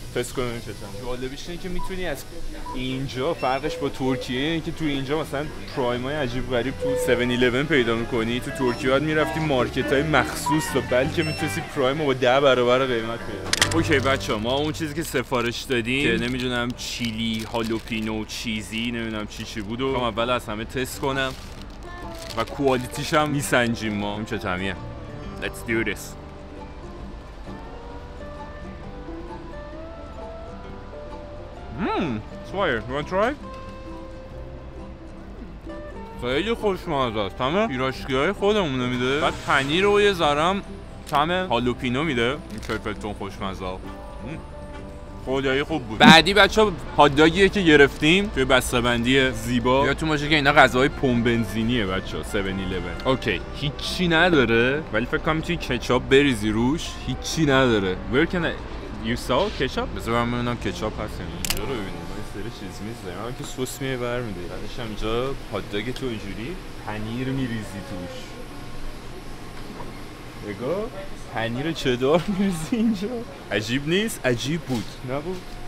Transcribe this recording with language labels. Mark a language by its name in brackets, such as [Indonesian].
[Persian] تست کنم چطور. جالبیش اینه که میتونی از اینجا، فرقش با ترکیه اینه که تو اینجا مثلا پرایم های عجیب غریب تو 7-11 پیدا میکنی، تو ترکیه هات میرفتی مارکت های مخصوص و بلکه میتونی پرایم رو با 10 برابر قیمت پیدا. اوکی بچه، ما اون چیزی که سفارش دادیم که نمیدونم چیلی هالوپینو چیزی نمیدونم چی بود و اول از همه تست کنم و کوالیتیش هم میسنجیم ما. اون چطوریه؟ [English] Let's do this. Swire, you want to try? [Persian] خیلی خوشمزه است. طعم پیراشکی‌های خودمون میده. بعد پنیر رو یه ذره طعم هالوپینو میده. این کیفتون خوشمزه. خدایی خوب بود. بعدی بچه‌ها هات‌داگیه که گرفتیم توی بسته‌بندی زیبا. یادتون باشه که اینا غذاهای پمپ بنزینیه بچه‌ها، 7-11. اوکی، هیچی نداره، ولی فکر کنم توی کچاپ بریزی روش، هیچی نداره. [English] Where can I You saw ketchup؟ [Persian] بذار من ببینم ketchup هست یا نه. اینجا رو ببینیم، من سری چیز میزنیم همه که سوس میه برمیده. بعدش هم اینجا هات‌داگ تو اینجوری پنیر میریزی توش، نگاه پنیر چدار میریزی اینجا. عجیب نیست؟ عجیب بود نبود؟